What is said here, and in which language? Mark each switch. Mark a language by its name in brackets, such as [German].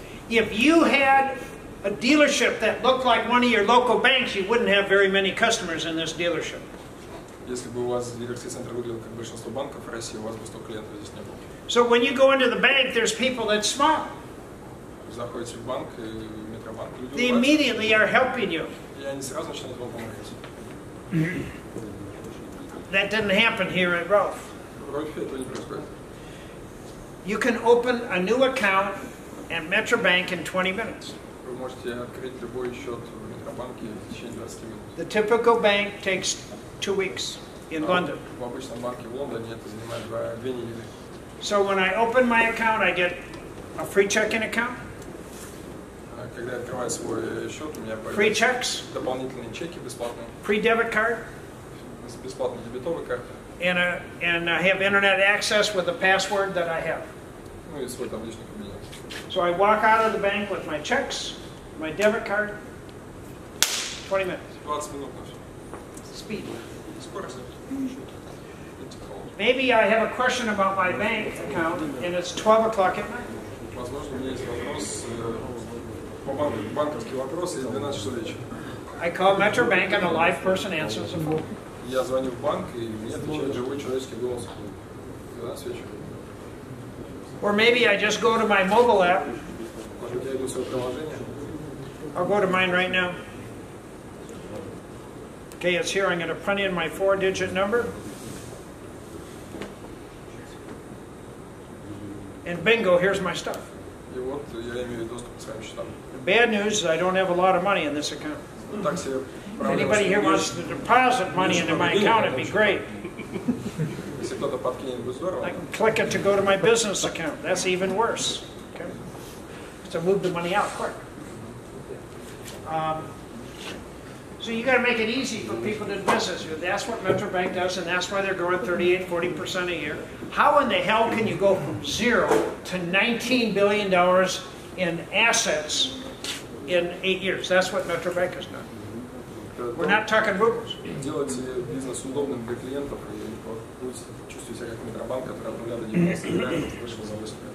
[English] If you had a dealership that looked like one of your local banks, you wouldn't have very many customers in this dealership. [Russian] Если бы у вас дилерский центр выглядел как большинство банков в России, у вас бы 100 клиентов здесь не было. [English] So when you go into the bank, there's people that smart. [Russian] Заходите в банк, и метробанк, люди [English] They immediately are helping you. [Russian] И они сразу начинают вам помогать. [English] That didn't happen here at Rolf. [Russian] В Рольфе этого не происходит. [English] You can open a new account at Metrobank in 20 minutes. [Russian] Вы можете открыть любой счет в метробанке в течение 20 минут. [English] The typical bank takes 2 weeks in London. [Russian] В обычном банке в Лондоне это занимает 2 недели. [English] So when I open my account, I get a free checking account. [Russian] Когда я открываю свой счет, у меня [English] free checks. [Russian] Дополнительные чеки бесплатные. [English] Free debit card. [Russian] Бесплатная дебетовая карта. [English] And I have internet access with the password that I have. [Russian] Ну и свой там личный кабинет. [English] So I walk out of the bank with my checks, my debit card. 20 minutes. [Russian] 20 минут. [English] Speed. [Russian] Скорость. [English] Maybe I have a question about my bank account and it's 12 o'clock at night. [Russian] Возможно, у меня есть вопрос по банковский вопрос, и 12 часов вечера. [English] I call Metrobank and a live person answers the phone. [Russian] Я звоню в банк, и мне отвечает живой человеческий голос. 12 вечера. [English] Or maybe I just go to my mobile app. [Russian] Может, я иду в свое приложение. [English] I'll go to mine right now. Okay, it's here. I'm going to print in my 4-digit number. And bingo, here's my stuff. The bad news is I don't have a lot of money in this account. If anybody here wants to deposit money into my account, it'd be great. I can click it to go to my business account. That's even worse. Okay. So move the money out quick. So you got to make it easy for people to do business. That's what Metrobank does, and that's why they're growing 38-40% a year. How in the hell can you go from zero to $19 billion in assets in 8 years? That's what Metrobank has done. We're not talking rubles. [Russian] Делать бизнес удобным для клиентов, и чувствуете себя как Метробанк, который от 0 до 90 вышел за 8.